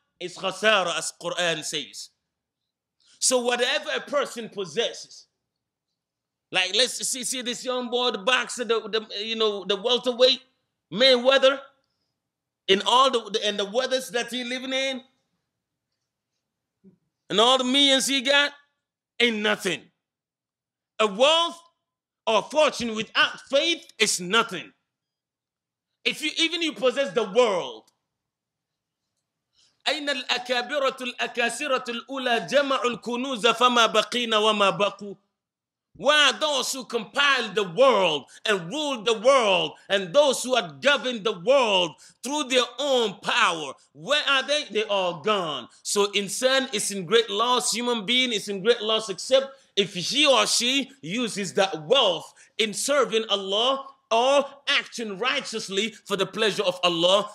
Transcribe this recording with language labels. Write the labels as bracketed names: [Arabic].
[English] It's khasara, as Quran says. So whatever a person possesses, like let's see this young boy, the boxer, the welterweight, Mayweather, in all the weathers that he's living in, and all the millions he got, ain't nothing. A wealth or fortune without faith is nothing. If you even you possess the world, [Arabic] أين الأكابرة الأكاسرة الأولى جمعوا الكنوز فما بقينا وما بقوا. [English] Why are those who compiled the world and ruled the world and those who had governed the world through their own power, where are they? They are gone. So insan is in great loss, human being is in great loss, except if he or she uses that wealth in serving Allah or acting righteously for the pleasure of Allah.